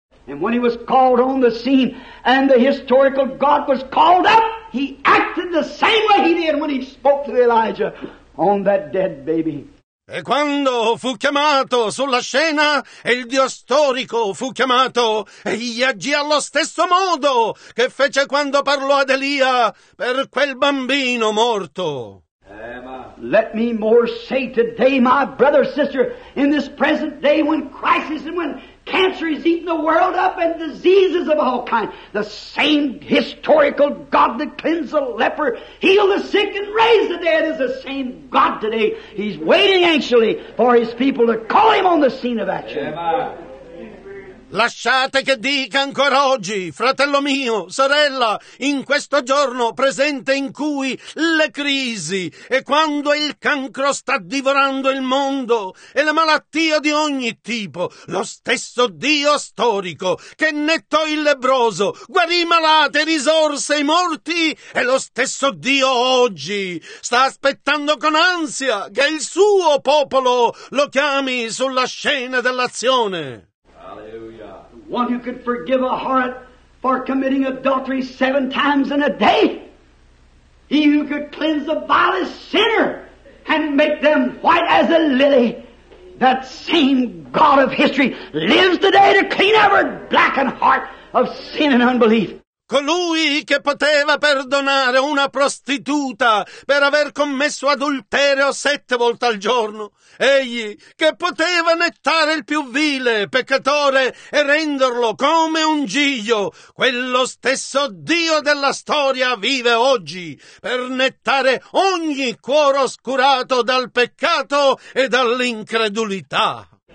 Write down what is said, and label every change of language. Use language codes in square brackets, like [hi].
[en] And when he was called on the scene and the historical God was called up, he acted the same way he did when he spoke to Elijah on that dead baby. [it] E quando fu chiamato sulla scena e il Dio storico fu chiamato, egli agì allo stesso modo che fece quando parlò ad Elia per quel bambino morto. [en] Let me more say today, my brother, sister, in this present day when crisis and when cancer is eating the world up and diseases of all kinds, the same historical God that cleansed the leper, healed the sick and raised the dead is the same God today. He's waiting anxiously for his people to call him on the scene of action. Amen. [it] Lasciate che dica ancora oggi, fratello mio, sorella, in questo giorno presente in cui le crisi e quando il cancro sta divorando il mondo e la malattia di ogni tipo, lo stesso Dio storico che nettò il lebbroso, guarì i malati, risorse i morti, è lo stesso Dio oggi. Sta aspettando con ansia che il suo popolo lo chiami sulla scena dell'azione. [en] One who could forgive a harlot for committing adultery 7 times in a day. He who could cleanse the vilest sinner and make them white as a lily. That same God of history lives today to clean every blackened heart of sin and unbelief. [it] Colui che poteva perdonare una prostituta per aver commesso adulterio 7 volte al giorno. Egli che poteva nettare il più vile peccatore e renderlo come un giglio. Quello stesso Dio della storia vive oggi per nettare ogni cuore oscurato dal peccato e dall'incredulità.